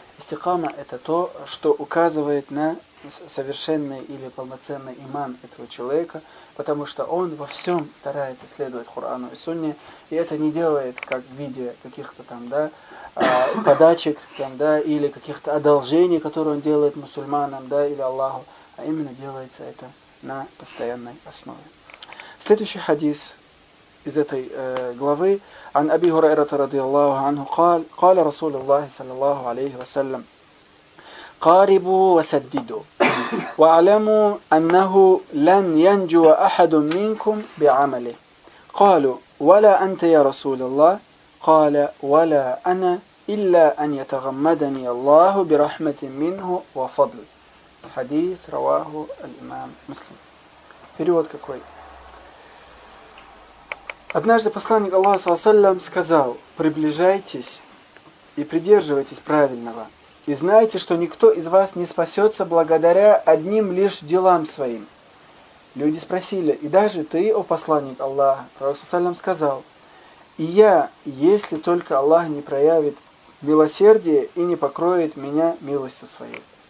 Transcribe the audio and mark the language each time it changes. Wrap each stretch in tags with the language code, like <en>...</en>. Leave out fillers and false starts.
<ru>Истихама – это то, что указывает на совершенный или полноценный иман этого человека, потому что он во всем старается следовать Хурану и Сунне, и это не делает как в виде каких-то там, да, подачек, там, да, или каких-то одолжений, которые он делает мусульманам, да, или Аллаху, а именно делается это на постоянной основе. Следующий хадис из этой главы.</ru> <ar>عن أبي هريرة رضي الله عنه قال قال رسول الله صلى الله عليه وسلم قاربوا وسددوا واعلموا أنه لن ينجو أحد منكم بعمله قالوا ولا أنت يا رسول الله قال ولا أنا إلا أن يتغمدني الله برحمة منه وفضل حديث رواه الإمام مسلم</ar> <ru>перевод какой. Однажды посланник Аллаха, саллаллаху алейхи ва саллям, сказал: «Приближайтесь и придерживайтесь правильного, и знайте, что никто из вас не спасется благодаря одним лишь делам своим». Люди спросили: «И даже ты, о посланник Аллаха?» Пророк, саллаллаху алейхи ва саллям, сказал: «И я, если только Аллах не проявит милосердие и не покроет меня милостью своей».</ru>